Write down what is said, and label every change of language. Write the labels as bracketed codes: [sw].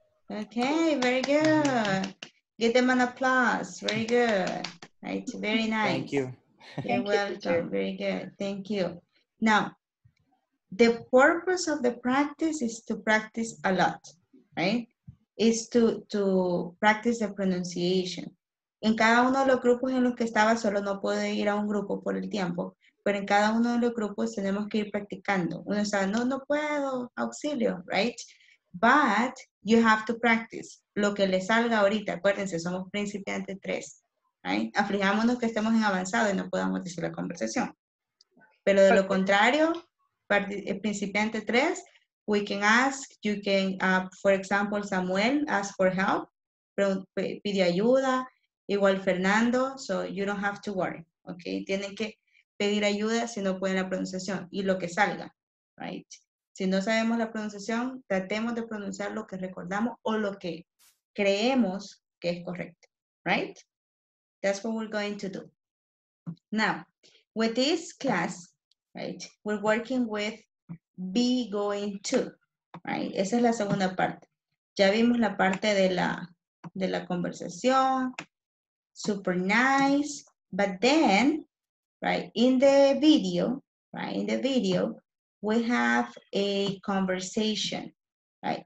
[en] Okay, very good. Give them an applause. Very good. Right. Very nice. Thank you. You're welcome. Very good. Thank you. Now, the purpose of the practice is to practice a lot, right? Is to practice the pronunciation. [es] En cada uno de los grupos en los que estaba solo, no puedo ir a un grupo por el tiempo, pero en cada uno de los grupos tenemos que ir practicando. Uno está, no puedo, auxilio, [en] right? But you have to practice. [es] Lo que le salga ahorita, acuérdense, somos principiantes 3, right? Aflijámonos que estemos en avanzado y no podamos decir la conversación. Pero de lo contrario, principiante 3, [en] we can ask, you can, for example, Samuel, ask for help, [es] pide ayuda, [en] igual Fernando, so you don't have to worry, okay? [es] Tienen que pedir ayuda si no pueden la pronunciación y lo que salga, right? Si no sabemos la pronunciación, tratemos de pronunciar lo que recordamos o lo que creemos que es correcto, right? [en] That's what we're going to do. Now, with this class, right, we're working with be going to, right? [es] Esa es la segunda parte. Ya vimos la parte de la conversación, [en] super nice, but then, right, in the video, we have a conversation, right?